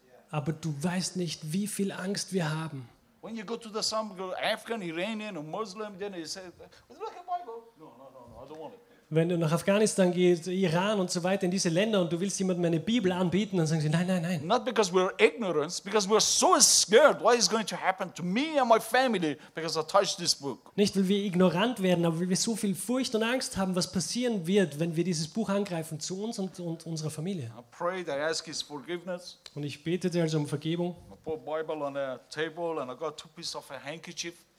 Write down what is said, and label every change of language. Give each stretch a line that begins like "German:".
German: Aber du weißt nicht, wie viel Angst wir haben.
English: When you go to the Sambal, Afghan, Iranian, or Muslim, then you say, look at my Bible. No, I don't want it.
German: Wenn du nach Afghanistan gehst, Iran und so weiter, in diese Länder und du willst jemandem eine Bibel anbieten, dann sagen sie, nein.
English: Not because we're ignorant, because we're so scared what is going to happen to me and my family because I touched this book.
German: Nicht, weil wir ignorant werden, aber weil wir so viel Furcht und Angst haben, was passieren wird, wenn wir dieses Buch angreifen zu uns und unserer Familie.
English: I prayed, I ask his forgiveness.
German: Und ich betete also um Vergebung.
English: I put the Bible on a table and I got 2 pieces of a handkerchief.